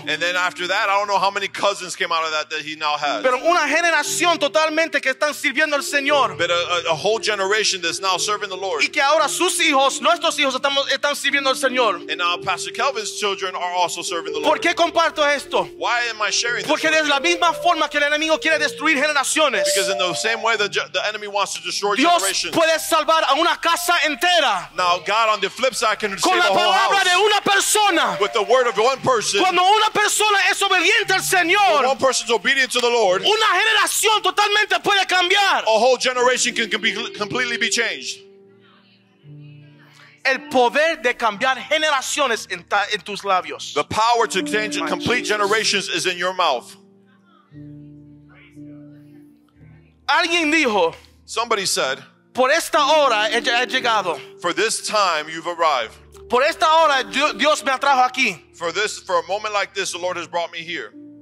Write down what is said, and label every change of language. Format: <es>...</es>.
<en>And then after that, I don't know how many cousins came out of that he now has.</en> <es>Pero una generación totalmente que están sirviendo al Señor.</es> <en>But a whole generation that's now serving the Lord.</en> <es>Y que ahora sus hijos, nuestros hijos, están sirviendo al Señor.</es> <en>And now Pastor Kelvin's children are also serving the Lord.</en> <es>¿Por qué comparto esto?</es> <en>Why am I sharing</en> <es>porque</es> <en>this?</en> <es>Porque es la misma forma que el enemigo quiere destruir.</es> <en>Because in the same way the enemy wants to destroy</en> <es>Dios</es> <en>generations.</en> <es>Puede salvar a una casa entera.</es> <en>Now God on the flip side can</en> <es>con</es> <en>save</en> <es>la palabra</es> <en>a whole house.</en> <es>De una persona.</es> <en>With the word of one person.</en> <es>Cuando una persona es obediente al Señor.</es> <en>When one person is obedient to the Lord.</en> <es>Una generación totalmente puede cambiar.</es> <en>A whole generation can be completely be changed.</en> <es>el poder de cambiar generaciones en, ta, en tus labios.</es> <en>The power to change and complete generations is in your mouth.</en> <es>Alguien dijo,</es> <en>somebody said,</en> <es>por esta hora he llegado.</es> <en>For this time you've arrived.</en> <es>Por esta hora Dios me trajo aquí.</es> <en>For a moment like this, the Lord has brought me here.</en>